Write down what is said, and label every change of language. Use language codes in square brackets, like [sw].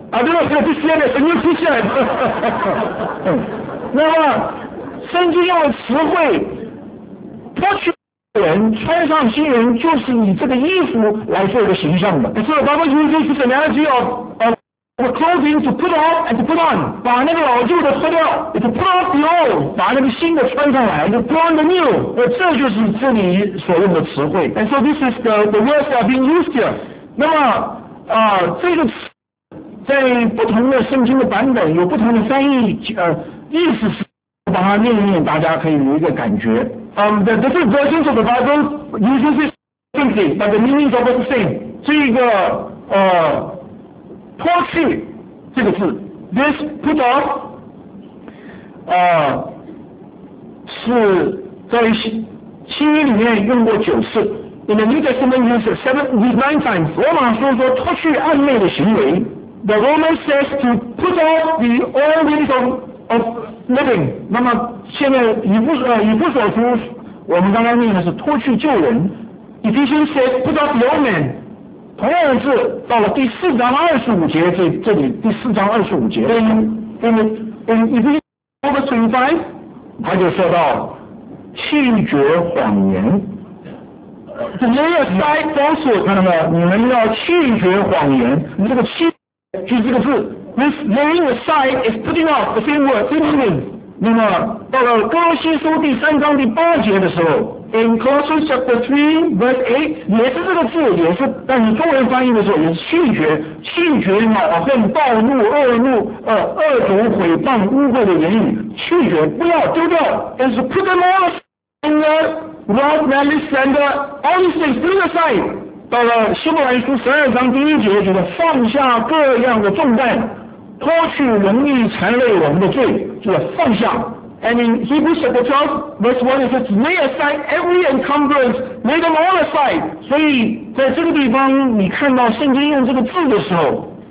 [en] I don't know if this year is a new T-shirt. [zh] 那么，圣经用的词汇，脱去人，穿上新人，就是以这个衣服来做一个形象的。 [en] So, Bible uses this analogy of. The clothing to put off and to put on, [zh] 把那个老旧的脱掉 [en] ，to put off the old, [zh] 把那个新的穿上来 [en] ，to put on the new. [zh] 那这就是这里所用的词汇。 [en] And so this is the words that are being used here. [zh] 那么，这个词在不同的圣经的版本有不同的翻译，意思是把它念一念，大家可以有一个感觉。 [en] The different versions of the Bible use this differently, but the meanings are the same. [zh] 这个，脱去这个字 [en] ，this put off， [zh] 是在新约里面用过九次 [en] ，in the New Testament used nine times。 [zh] 罗马书说脱去暧昧的行为 [en] ，the Romans says to put off the old ways of living。 [zh] 那么现在以弗所书，我们刚刚念的是脱去旧人 [en] ，Ephesians says put off the old man。 [zh] 同样的是到了第四章二十五节这里第四章二十五节 [en] in Ephesians 25 [zh] 他就说到弃绝谎言 [en] the lay aside falsehood [zh] 看到没有你们要弃绝谎言你这个弃就是这个字 [en] this laying aside is putting off the same word same meaning [zh] 那么到了哥罗西书第三章第八节的时候 [en] In Colossians chapter 3 verse 8 [zh] 也是这个字也是但是中文翻译的时候也是弃绝弃绝恼恨暴怒恶怒恶毒毁谤污秽的言语弃绝不要丢掉 [en] And so put them all aside and the wrath malice and all these things put aside [zh] 到了希伯来书十二章第一节就是放下各样的重担脱去容易缠累我们的罪就是放下 [en] And in Hebrews chapter 12, verse 1, it says, lay aside every encumbrance, lay them all aside. [zh] 所以在这个地方你看到圣经用这个字的时候